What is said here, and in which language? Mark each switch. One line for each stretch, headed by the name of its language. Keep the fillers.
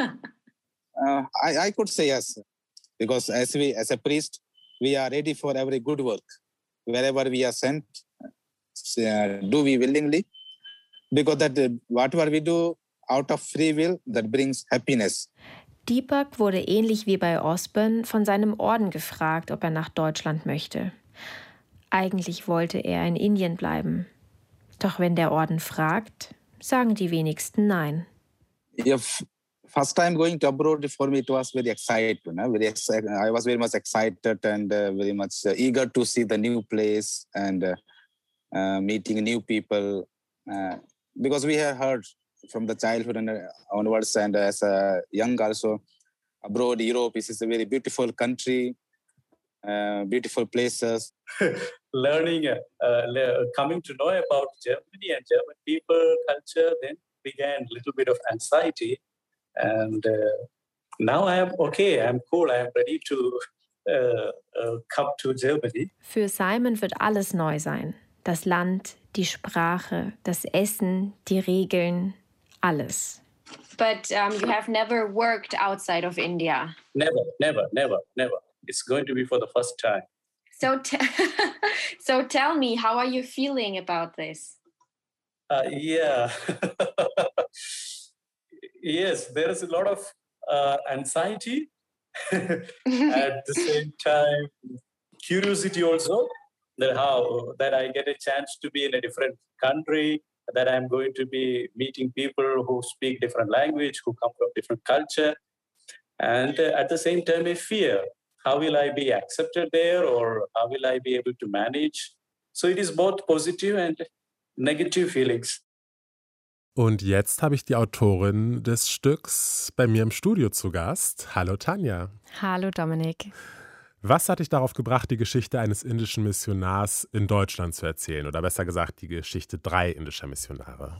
English: uh, I, I could say yes. Because as we as a priest, we are ready for every good work. Wherever we are sent, do we willingly? Because that whatever we do out of free will, that brings happiness.
German: Deepak wurde ähnlich wie bei Osborn von seinem Orden gefragt, ob er nach Deutschland möchte. Eigentlich wollte er in Indien bleiben. Doch wenn der Orden fragt, sagen die wenigsten nein.
English: If ja, first time going to abroad for me it was very exciting, you know? very excited. I very excited and uh, very much uh, eager to see the new place and uh, meeting new people because we have heard from the childhood and onwards and as a young abroad also, europe This is a very beautiful country uh, beautiful places learning uh, le coming to know about germany and german people culture then began little bit of anxiety and uh, now i am okay i'm cool i'm ready to come to germany
German: für simon wird alles neu sein das land die sprache das essen die regeln alles.
English: But um, you have never worked outside of India. Never, never, never, never. It's going to be for the first time. So, te so tell me, how are you feeling about this? Uh, yeah. yes, there is a lot of uh, anxiety. At the same time, curiosity also that how that I get a chance to be in a different country, that I'm going to be meeting people who speak different language, who come from different culture. And at the same time, a fear. How will I be accepted there or how will I be able to manage? So it is both positive and negative feelings.
German: Und jetzt habe ich die Autorin des Stücks bei mir im Studio zu Gast. Hallo Tanja. Hallo Dominik. Was hat dich darauf gebracht, die Geschichte eines indischen Missionars in Deutschland zu erzählen? Oder besser gesagt, die Geschichte drei indischer Missionare?